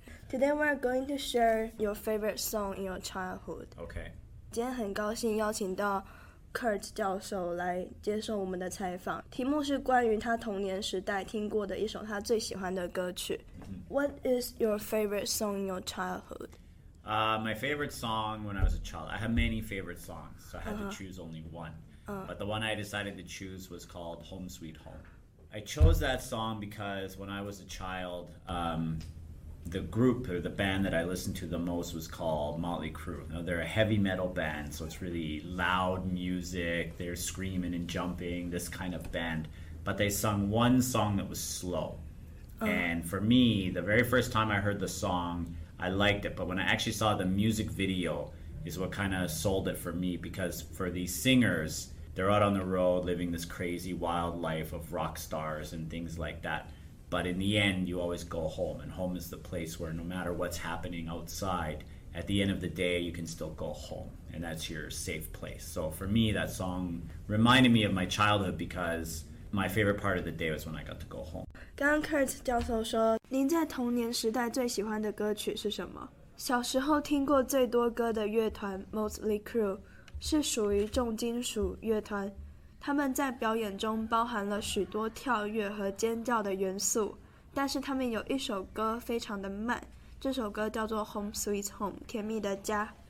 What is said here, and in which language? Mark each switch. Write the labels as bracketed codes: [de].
[en] Today we're going to share your favorite song in your childhood. Okay. [zh] 今天很高兴邀请到 Kurt 教授来接受我们的采访。题目是关于他童年时代听过的一首他最喜欢的歌曲。 [en] What is your favorite song in your childhood? My favorite song when I was a child. I have many favorite songs, so I had to choose only one. But the one I decided to choose was called Home Sweet Home. I chose that song because when I was a child, the group or the band that I listened to the most was called Motley Crue. Now, they're a heavy metal band, so it's really loud music. They're screaming and jumping, this kind of band. But they sung one song that was slow. And for me, the very first time I heard the song, I liked it. But when I actually saw the music video is what kind of sold it for me, because for these singers, they're out on the road living this crazy wild life of rock stars and things like that. But in the end, you always go home. And home is the place where no matter what's happening outside, at the end of the day, you can still go home. And that's your safe place. So for me, that song reminded me of my childhood because my favorite part of the day was when I got to go home. [zh] 刚刚 Kurt 教授说，您在童年时代最喜欢的歌曲是什么？小时候听过最多歌的乐团 Motley Crue 是属于重金属乐团。他们在表演中包含了许多跳跃和尖叫的元素，但是他们有一首歌非常的慢，这首歌叫做 Home Sweet Home, 甜蜜的家。